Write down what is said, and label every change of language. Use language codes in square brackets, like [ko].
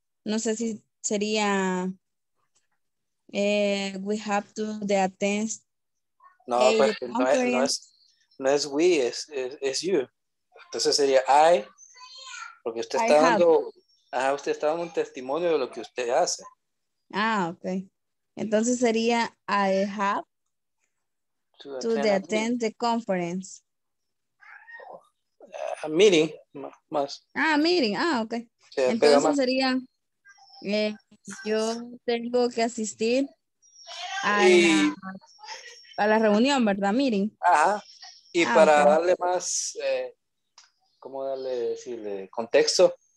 [es] No sé si sería we have to the attend. No, no es we, es you. Entonces sería I, porque usted está usted está dando un testimonio de lo que usted hace. Ah, okay. [en] Entonces sería I have to attend the conference. [es] Meeting, más. Ah, meeting. Ah, okay. Entonces sería yo tengo que asistir a la reunión, ¿verdad? Miren. Ajá. Y para darle más, ¿cómo darle, decirle, contexto?